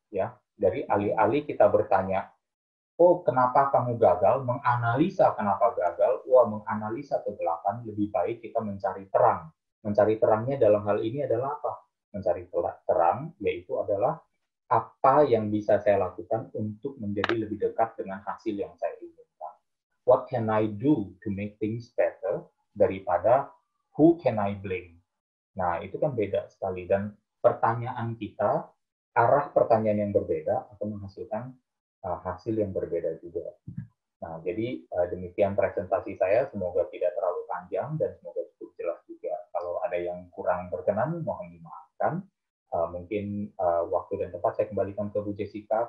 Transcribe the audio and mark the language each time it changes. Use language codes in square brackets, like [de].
[id] Ya, dari alih-alih kita bertanya, oh kenapa kamu gagal, menganalisa kenapa gagal, wah menganalisa kegelapan, lebih baik kita mencari terang. Mencari terangnya dalam hal ini adalah apa? Mencari terang, yaitu adalah apa yang bisa saya lakukan untuk menjadi lebih dekat dengan hasil yang saya inginkan. [en] What can I do to make things better [id] daripada [en] who can I blame? [id] Nah, itu kan beda sekali. Dan pertanyaan kita, arah pertanyaan yang berbeda akan menghasilkan hasil yang berbeda juga. Nah, jadi demikian presentasi saya. Semoga tidak terlalu panjang dan semoga cukup jelas juga. Kalau ada yang kurang berkenan, mohon dimaafkan. Mungkin waktu dan tempat saya kembalikan ke Bu Jessica.